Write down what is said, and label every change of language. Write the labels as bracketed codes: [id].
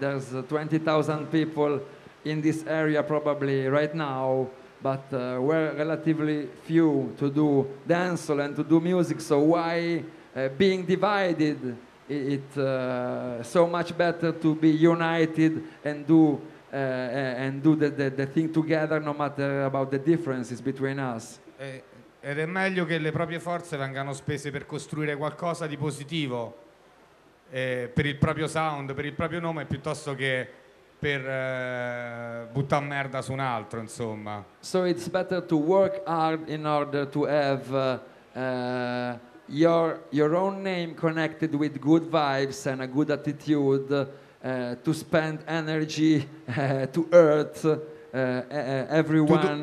[en] There's 20,000 people in this area probably right now, but we're relatively few to do dancehall and to do music, so why being divided? It's so much better to be united and do the thing together, no matter about the differences between us. [it] Ed è meglio che le proprie forze vengano spese per costruire qualcosa di positivo per il proprio sound, per il proprio nome, piuttosto che per buttare merda su un altro, insomma. [en] So it's better to work hard in order to have your own name connected with good vibes and a good attitude, to spend energy to earth. Everyone